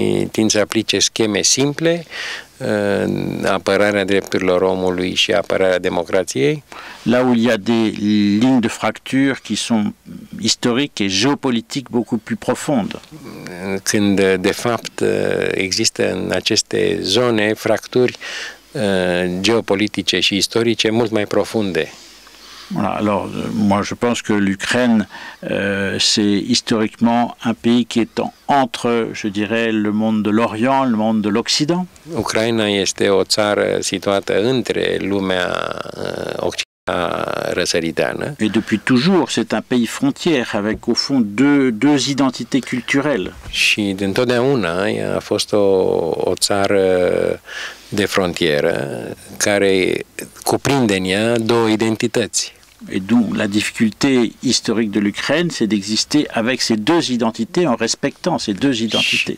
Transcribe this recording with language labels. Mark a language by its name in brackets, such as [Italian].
[Romanian] tind să aplice scheme simple, apărarea drepturilor omului și apărarea democrației. [French] Là où il y a des lignes de fracture qui sont historiques et géopolitiques beaucoup plus profondes. [Romanian] Când de fapt există în aceste zone fracturi geopolitice și istorice mult mai profunde. [French] Voilà, alors moi je pense que l'Ukraine c'est historiquement un pays qui est entre, je dirais, le monde de l'Orient, le monde de l'Occident. [Romanian] Ucraina este o țară situată între lumea occidentală. [French] Et depuis toujours, c'est un pays frontière avec au fond deux identités culturelles. [Romanian] Și dintotdeauna a fost o țară de frontieră care cuprinde în ea două identități. [French] Et donc la difficulté historique de l'Ukraine, c'est d'exister avec ces deux identités en respectant ces deux identités.